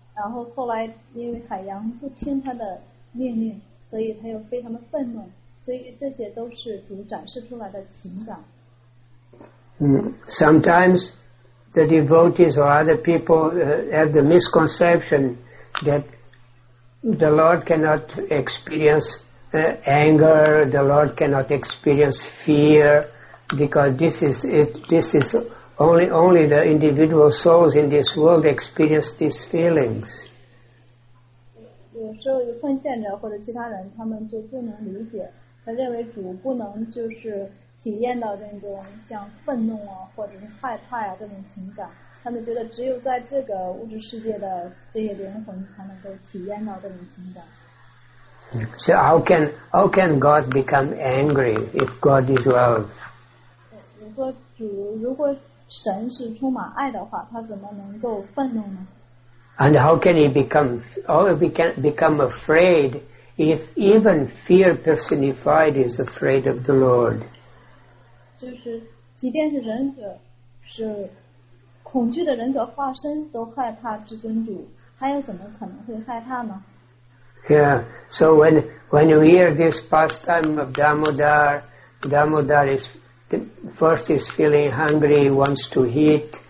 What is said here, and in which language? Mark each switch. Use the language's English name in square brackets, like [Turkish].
[Chinese] 然后后来因为海洋不听他的命令，所以他又非常的愤怒，所以这些都是主展示出来的情感。 [English] Sometimes the devotees or other people have the misconception that the Lord cannot experience anger, the Lord cannot experience fear, because this is it, this is only the individual souls in this world experience these feelings. [Chinese] 有时候有奉献者或者其他人，他们就不能理解，他认为主不能就是体验到这种像愤怒啊，或者是害怕啊这种情感。他们觉得只有在这个物质世界的这些灵魂才能够体验到这种情感。 [English] So how can God become angry if God is love? [Chinese] 如果主，如果神是充满爱的话，他怎么能够愤怒呢？ [English] And how can he become, or he can become afraid if even fear personified is afraid of the Lord? [Chinese] 就是即便是忍者，是恐惧的忍者化身都害怕至尊主，他又怎么可能会害怕呢？ [English] Yeah, so when you hear this pastime of Damodar is first is feeling hungry, wants to eat.